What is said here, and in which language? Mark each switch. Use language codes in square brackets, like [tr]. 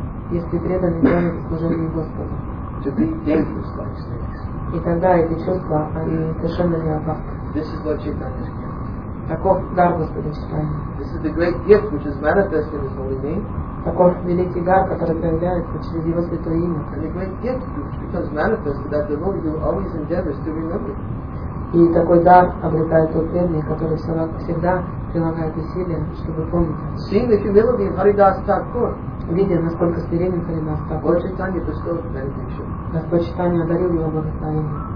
[ru] Если преданный делает служение Господу. И тогда эти чувства, они совершенно не опасны. Таков дар Господа Читания. [en] This is the great gift which is manifest in His holy name. [ru] Таков великий дар, который проявляется через Его святое имя. [en] And the great gift which becomes manifest is that the devotee always endeavors to remember. [ru] И такой дар обретает тот преданный, который всегда прилагает усилия, чтобы помнить. [en] Seeing the humility of Haridas Thakur. [ru] Видя, насколько смиренен Харидас Тхакур. [en] Lord Chaitanya bestowed benediction. [ru] Господь Читания одарил его благословение.